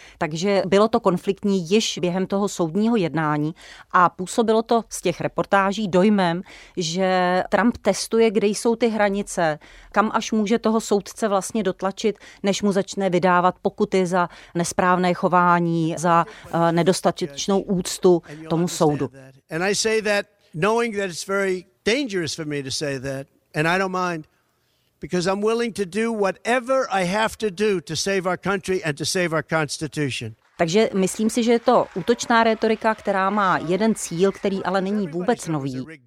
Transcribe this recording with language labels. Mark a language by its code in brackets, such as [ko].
[cs] Takže bylo to konfliktní již během toho soudního jednání a působilo to z těch reportáží dojmem, že Trump testuje, kde jsou ty hranice, kam až může toho soudce vlastně dotlačit, než mu začne vydávat pokuty za nesprávné chování, za nedostatečnost čtečnou úctu tomu soudu. [en] And I say that knowing that it's very dangerous for me to say that, and I don't mind, because I'm willing to do whatever I have to do to save our country and to save our constitution. [cs] Takže myslím si, že je to útočná retorika, která má jeden cíl, který ale není vůbec nový.